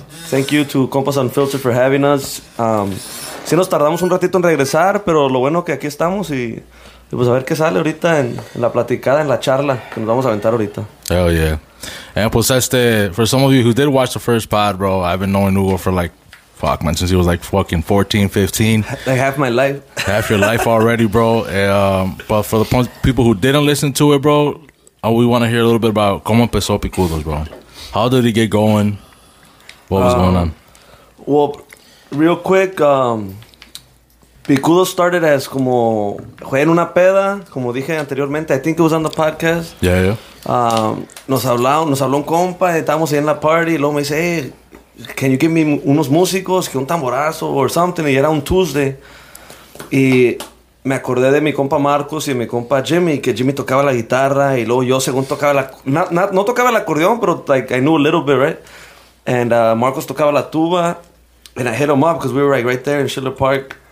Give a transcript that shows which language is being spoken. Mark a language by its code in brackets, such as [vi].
[en] Thank you to Compas Unfiltered for having us. [es] Sí nos tardamos un ratito en regresar, pero lo bueno que aquí estamos y pues a ver qué sale ahorita en la platicada, en la charla que nos vamos a aventar ahorita. [en] Hell yeah. And pues for some of you who did watch the first pod, bro, I've been knowing Hugo for like, fuck, man, since he was like fucking 14, 15. Like half my life. Half your life already, bro. But for the people who didn't listen to it, bro, we want to hear a little bit about [es] cómo empezó Picudos, [en] bro. How did he get going? What was going on? Well, real quick, Picudos started as [es] como fue en una peda, como dije anteriormente. [en] I think it was on the podcast. Yeah, yeah. [es] Nos habló un compa, estábamos ahí en la party, y luego me dice, hey, [en] can you give me [es] unos músicos, que un tamborazo [en] or something, [es] y era un Tuesday. Y me acordé de mi compa Marcos y mi compa Jimmy, que Jimmy tocaba la guitarra, y luego yo según tocaba la... No tocaba el acordeón, pero [en] like, I knew a little bit, right? And Marcos [es] tocaba la tuba, [en] and I hit him up, because we were like right there in Schiller Park.